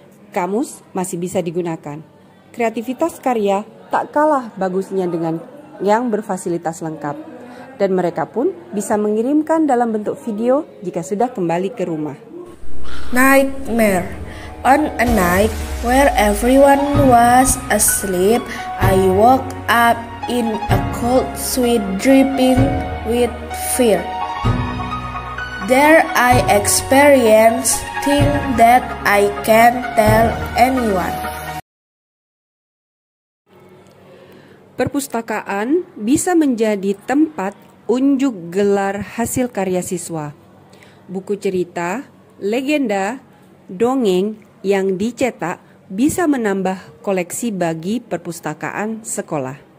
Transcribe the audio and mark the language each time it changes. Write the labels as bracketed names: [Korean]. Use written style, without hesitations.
[Indonesian] Kamus masih bisa digunakan. Kreativitas karya tak kalah bagusnya dengan yang berfasilitas lengkap. Dan mereka pun bisa mengirimkan dalam bentuk video jika sudah kembali ke rumah. [English] Nightmare. On a night where everyone was asleep, I woke up in a cold sweat dripping with fear. There I experienced things that I can't tell anyone. [Indonesian] Perpustakaan bisa menjadi tempat unjuk gelar hasil karya siswa. Buku cerita, legenda, dongeng yang dicetak bisa menambah koleksi bagi perpustakaan sekolah.